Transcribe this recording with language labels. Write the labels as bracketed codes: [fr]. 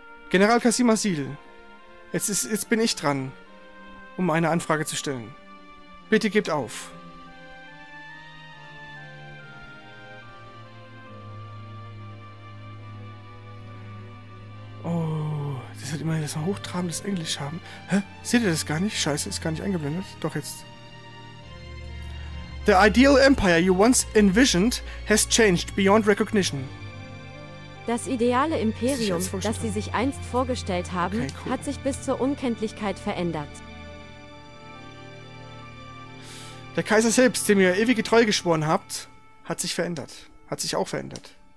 [de] General Kasim Hazil, Jetzt bin ich dran, um eine Anfrage zu stellen. Bitte gebt auf. Oh, das hat immerhin das hochtrabendes Englisch haben. Hä? Seht ihr das gar nicht? Scheiße, ist gar nicht eingeblendet. Doch, jetzt. [en] The ideal empire you once envisioned has changed beyond recognition. [de] Das ideale Imperium, das sie sich einst vorgestellt haben, okay, cool, hat sich bis zur Unkenntlichkeit verändert. Der Kaiser selbst, dem ihr ewige Treue geschworen habt, hat sich verändert. Hat sich auch verändert.